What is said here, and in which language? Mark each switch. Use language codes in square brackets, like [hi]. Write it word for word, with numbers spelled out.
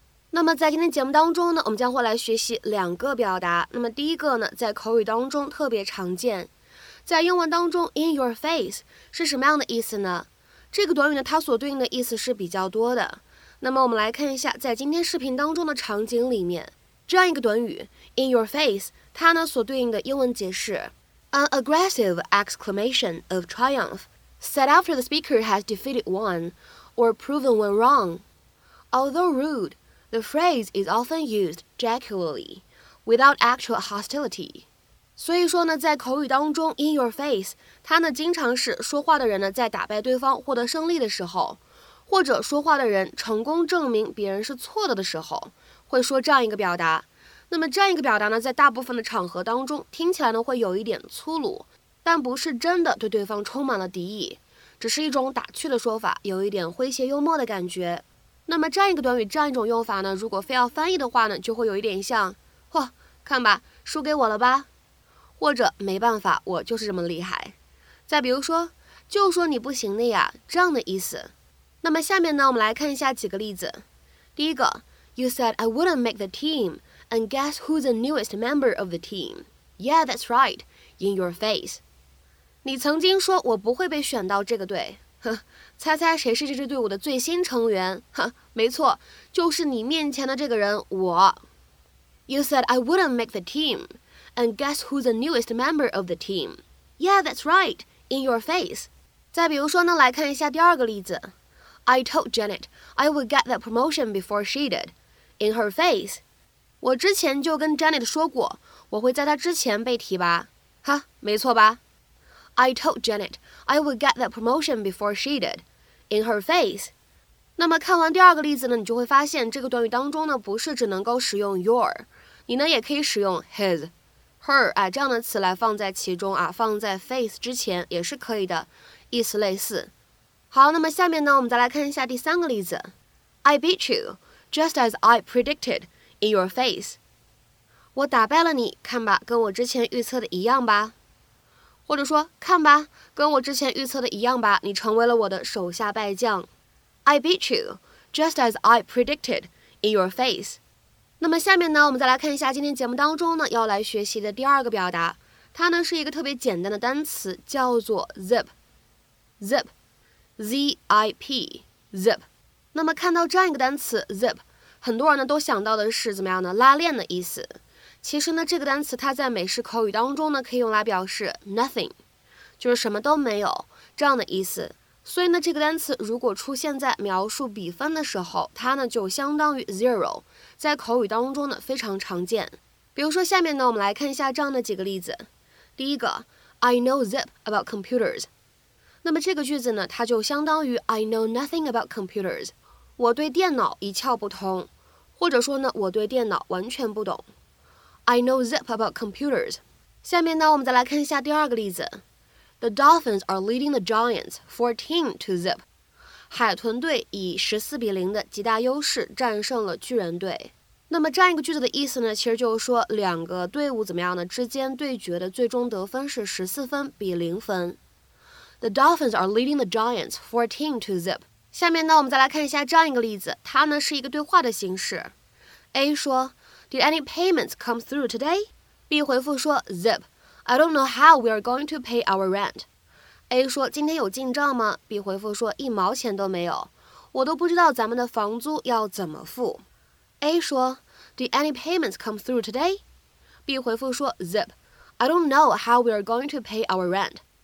[zh] 那么在今天节目当中呢，我们将会来学习两个表达。那么第一个呢，在口语当中特别常见。在英文当中 [en] in your face [zh] 是什么样的意思呢？这个短语呢，它所对应的意思是比较多的。那么我们来看一下在今天视频当中的场景里面，这样一个短语 in your face 它呢所对应的英文解释 [en] An aggressive exclamation of triumph said after the speaker has defeated one or proven one wrong. Although rude,The phrase is often used jocularly, without actual hostility. [zh] 所以说呢，在口语当中 in your face 它呢经常是说话的人呢在打败对方获得胜利的时候，或者说话的人成功证明别人是错的的时候，会说这样一个表达。那么这样一个表达呢，在大部分的场合当中听起来呢会有一点粗鲁，但不是真的对对方充满了敌意，只是一种打趣的说法，有一点诙谐幽默的感觉。那么这样一个短语，这样一种用法呢，如果非要翻译的话呢，就会有一点像嚯，看吧，输给我了吧，或者没办法，我就是这么厉害。再比如说，就说你不行的呀，这样的意思。那么下面呢，我们来看一下几个例子。第一个 [en] You said I wouldn't make the team and guess who's the newest member of the team? Yeah, that's right. In your face. [zh] 你曾经说我不会被选到这个队，哼，猜猜谁是这支队伍的最新成员？哼，没错，就是你面前的这个人，我。 [en] You said I wouldn't make the team, and guess who's the newest member of the team? Yeah, that's right. In your face. [zh] 再比如说呢，来看一下第二个例子。 [en] I told Janet I would get that promotion before she did. In her face. [zh] 我之前就跟 Janet 说过，我会在她之前被提拔。哈，没错吧？ [en] I told Janet I would get that promotion before she did. In her face. [zh] 那么看完第二个例子呢，你就会发现这个短语当中呢，不是只能够使用 your， 你呢也可以使用 his、her 啊这样的词来放在其中啊，放在 face 之前也是可以的，意思类似。好，那么下面呢，我们再来看一下第三个例子。 [en] I beat you, just as I predicted. In your face. [zh] 我打败了你，看吧，跟我之前预测的一样吧。或者说，看吧，跟我之前预测的一样吧，你成为了我的手下败将。 [en] I beat you, just as I predicted. In your face. [zh] 那么下面呢，我们再来看一下今天节目当中呢要来学习的第二个表达，它呢是一个特别简单的单词，叫做 zip。 zip, z-i-p, zip。那么看到这样一个单词 zip。很多人呢都想到的是怎么样呢？拉链的意思。其实呢，这个单词它在美式口语当中呢，可以用来表示 nothing， 就是什么都没有这样的意思。所以呢，这个单词如果出现在描述比分的时候，它呢就相当于 zero， 在口语当中呢非常常见。比如说下面呢，我们来看一下这样的几个例子。第一个 [en] ，I know zip about computers。 [zh] 那么这个句子呢，它就相当于 [en] I know nothing about computers。 [zh] 我对电脑一窍不通。或者说呢，我对电脑完全不懂。 [en] I know zip about computers。 [zh] 下面呢，我们再来看一下第二个例子。 [en] The Dolphins are leading the Giants fourteen to zip。 [zh] 海豚队以十四比零的极大优势战胜了巨人队。那么这样一个句子的意思呢，其实就是说两个队伍怎么样呢？之间对决的最终得分是十四分比零分。 [en] The Dolphins are leading the Giants fourteen to zip。 [zh] 下面呢，我们再来看一下这样一个例子，它呢是一个对话的形式。 A 说 [en] Did any payments come through today? [zh] B 回复说 [en] Zip, I don't know how we are going to pay our rent. [zh] A 说今天有进账吗 ？B 回复说一毛钱都没有，我都不知道咱们的房租要怎么付。 A 说 [en] Did any payments come through today? [zh] B 回复说 [en] Zip, I don't know how we are going to pay our rent.